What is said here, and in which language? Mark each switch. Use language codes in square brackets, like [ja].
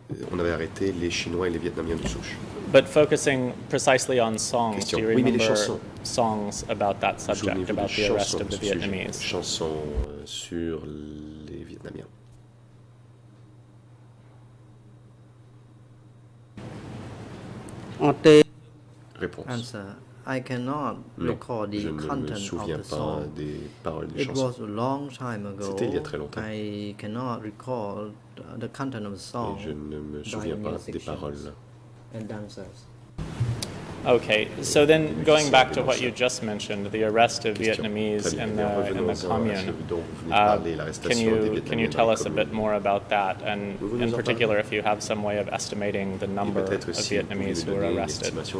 [fr] On avait arrêté les Chinois et les Vietnamiens de souche. [en] But focusing precisely on songs, question. Do you remember [fr] oui, chansons, [en] songs about that subject, about the arrest of the Vietnamese? [fr] Sujet, chansons sur les Vietnamiens. [en] Okay. [fr] réponse. [en] Answer. I cannot recall the content of the song. It was a long time ago. [fr] C'était il y a très longtemps. [en] I cannot recall the content of the song. [fr] Et je ne me souviens pas des paroles. [en] And dancers. Okay, so then going back to what you just mentioned, the arrest of Vietnamese in the commune, can you tell us a bit more about that, and in particular if you have some way of estimating the number of Vietnamese who were arrested?